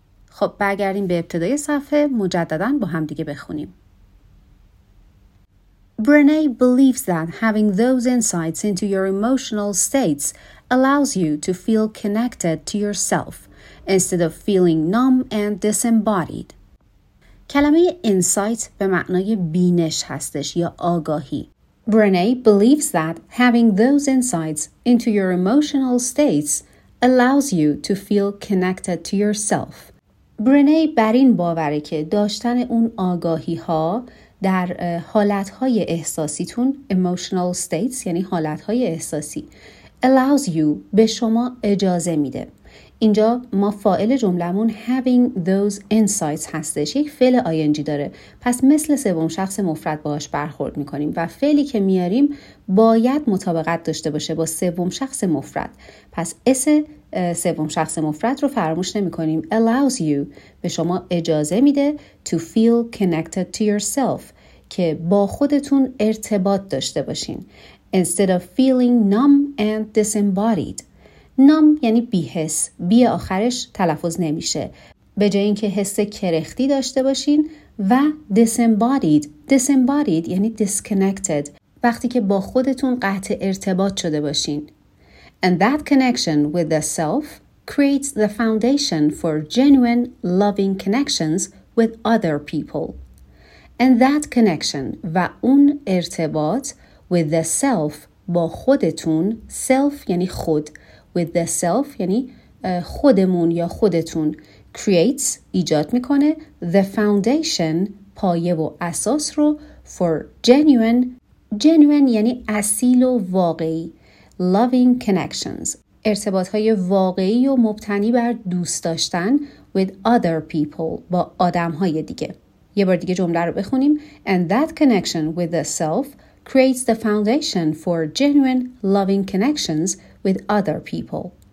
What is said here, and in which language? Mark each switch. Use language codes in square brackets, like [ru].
[fa] خب برگردیم به ابتدای صفحه مجدداً با هم دیگه بخونیم. [en] Brené believes that having those insights into your emotional states allows you to feel connected to yourself instead of feeling numb and disembodied. [fa] کلمه insight به معنای بینش هستش یا آگاهی. [en] Brené believes that having those insights into your emotional states allows you to feel connected to yourself. [fa] Brené بر این باوره که داشتن اون آگاهی ها در حالتهای احساسیتون [en] emotional states [fa] یعنی حالتهای احساسی [en] allows you [fa] به شما اجازه میده. اینجا ما فاعل جملمون [en] having those insights [fa] هستش، یک فعل ing داره، پس مثل سوم شخص مفرد باهاش برخورد میکنیم و فعلی که میاریم باید مطابقت داشته باشه با سوم شخص مفرد، پس اس سوم شخص مفرد رو فراموش نمیکنیم. [en] Allows you [fa] به شما اجازه میده [en] to feel connected to yourself [fa] که با خودتون ارتباط داشته باشین [en] instead of feeling numb and disembodied. [fa] نام یعنی بی‌حس، بی آخرش تلفظ نمیشه. به جای اینکه حس کرختی داشته باشین و disembodied. [en] Disembodied [fa] یعنی [en] disconnected. [fa] وقتی که با خودتون قطع ارتباط شده باشین. [en] And that connection with the self creates the foundation for genuine loving connections with other people. And that connection [fa] و اون ارتباط [en] with the self [fa] با خودتون، self یعنی خود، [en] with the self [fa] یعنی خودمون یا خودتون، [en] creates [fa] ایجاد میکنه [en] the foundation [fa] پایه و اساس رو [en] for genuine [fa] یعنی اصیل و واقعی [en] loving connections، [fa] ارتباط های واقعی و مبتنی بر دوست داشتن [en] with other people، [fa] با آدم های دیگه. یه بار دیگه جمله رو بخونیم. [en] And that connection with the self creates the foundation for genuine loving connections with other people.